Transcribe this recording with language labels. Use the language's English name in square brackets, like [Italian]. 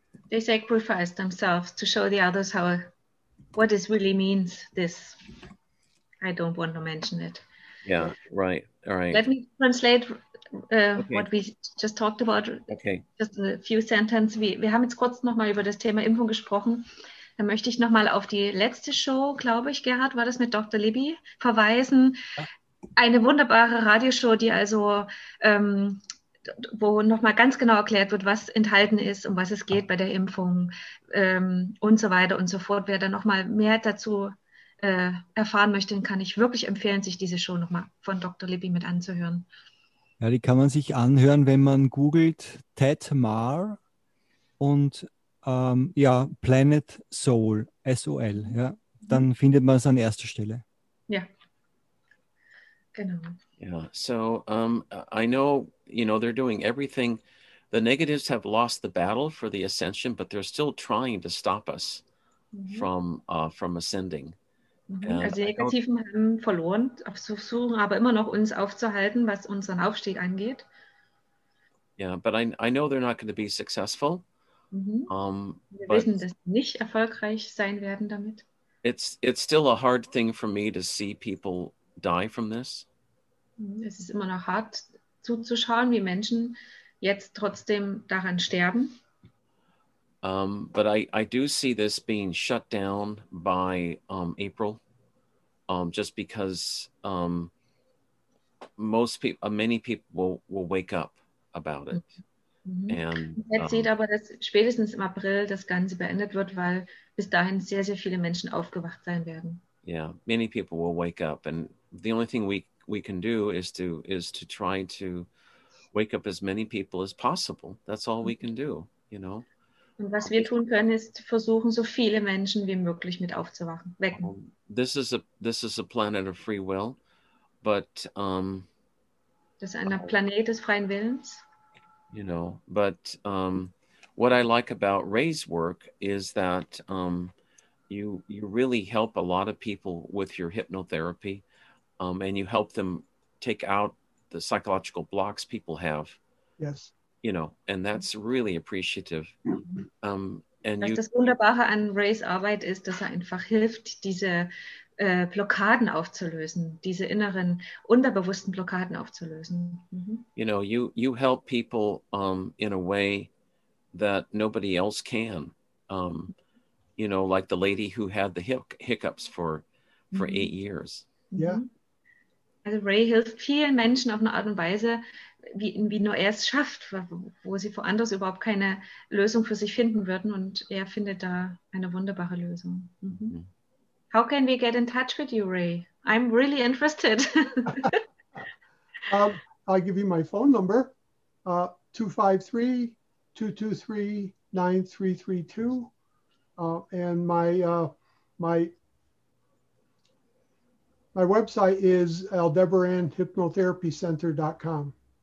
[English] they sacrifice themselves to show the others what this really means. This, I don't want to mention it. Yeah, right. All right. Let me translate what we just talked about. Okay. Just a few sentences. [German] Wir haben jetzt kurz nochmal über das Thema Impfung gesprochen. Dann möchte ich nochmal auf die letzte Show, glaube ich, Gerhard, war das mit Dr. Libby, verweisen. Eine wunderbare Radioshow, die also wo nochmal ganz genau erklärt wird, was enthalten ist und was es geht bei der Impfung und so weiter und so fort. Wer da nochmal mehr dazu erfahren möchte, kann ich wirklich empfehlen, sich diese Show nochmal von Dr. Libby mit anzuhören. Ja, die kann man sich anhören, wenn man googelt Ted Marr und Planet Soul, S-O-L. Ja? Dann findet man es an erster Stelle. [English] Yeah, so I know, you know, they're doing everything. The negatives have lost the battle for the ascension, but they're still trying to stop us from ascending. Mm-hmm. [German] Also die Negativen haben verloren, versuchen aber immer noch uns aufzuhalten, was unseren Aufstieg angeht. [English] Yeah, but I know they're not going to be successful. Mm-hmm. [German] Wir wissen, dass sie nicht erfolgreich sein werden damit. [English] It's still a hard thing for me to see people die from this. [German] Es ist immer noch hart zuzuschauen, wie Menschen jetzt trotzdem daran sterben. [English] But I do see this being shut down by April, just because many people will wake up about it. Mm-hmm. [German] And jetzt sieht aber, dass spätestens im April das Ganze beendet wird, weil bis dahin sehr, sehr viele Menschen aufgewacht sein werden. [English] Yeah, many people will wake up, and the only thing we can do is to try to wake up as many people as possible. That's all we can do, you know. [German] Und was wir tun können, ist versuchen, so viele Menschen wie möglich mit aufzuwachen, wecken. [English] This is a planet of free will, but [German] das ist ein Planet des freien Willens. [English] You know, but what I like about Ray's work is that you really help a lot of people with your hypnotherapy, and you help them take out the psychological blocks people have. Yes. You know, and that's really appreciative. Mm-hmm. [German] Das Wunderbare an Rays Arbeit ist, dass einfach hilft, diese Blockaden aufzulösen, diese inneren, unterbewussten Blockaden aufzulösen. Mm-hmm. [English] You know, you help people in a way that nobody else can. You know, like the lady who had the hiccups for mm-hmm. 8 years. Yeah. [German] Also Ray hilft vielen Menschen auf eine Art und Weise, wie nur er es schafft, wo sie woanders überhaupt keine Lösung für sich finden würden, und er findet da eine wunderbare Lösung. Mm-hmm. Mm-hmm. [English] How can we get in touch with you, Ray? I'm really interested. I'll give you my phone number, 253-223-9332. And my website is aldebaranhypnotherapycenter.com.